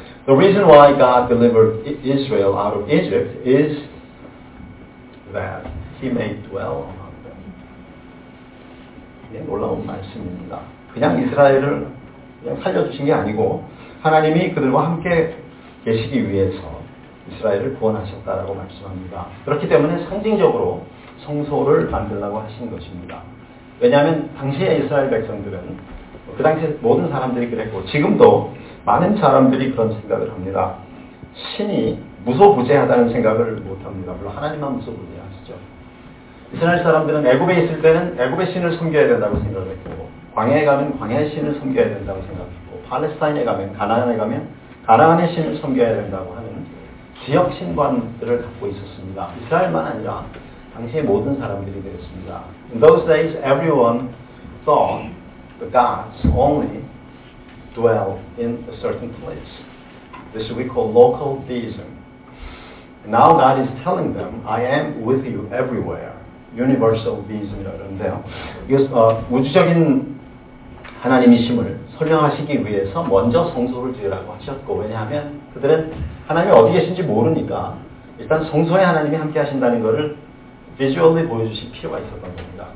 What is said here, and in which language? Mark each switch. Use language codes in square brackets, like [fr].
[en] The reason why God delivered Israel out of Egypt is that He may dwell among them. [ko] 놀라운 말씀입니다. 그냥 이스라엘을 그냥 살려주신 게 아니고 하나님이 그들과 함께 계시기 위해서 이스라엘을 구원하셨다라고 말씀합니다. 그렇기 때문에 상징적으로 성소를 만들라고 하신 것입니다. 왜냐하면 당시에 이스라엘 백성들은 그 당시 모든 사람들이 그랬고 지금도 많은 사람들이 그런 생각을 합니다. 신이 무소부재하다는 생각을 못합니다. 물론 하나님만 무소부재하시죠. 이스라엘 사람들은 애굽에 있을 때는 애굽의 신을 섬겨야 된다고 생각을 했고 광야에 가면 광야의 신을 섬겨야 된다고 생각했고 팔레스타인에 가면 가나안에 가면 가나안의 신을 섬겨야 된다고 하는 지역 신관들을 갖고 있었습니다. 이스라엘만 아니라 당시의 모든 사람들이 그랬습니다. [en] In those days, everyone thought the gods only dwell in a certain place. This we call local deism. Now God is telling them, I am with you everywhere. [ko] Universal Deism이라고 그러는데요. 이것은 우주적인 하나님이심을 설명하시기 위해서 먼저 성소를 지으라고 하셨고 왜냐하면 그들은 하나님이 어디 계신지 모르니까 일단 성소에 하나님이 함께 하신다는 것을 비주얼리 보여주실 필요가 있었던 겁니다.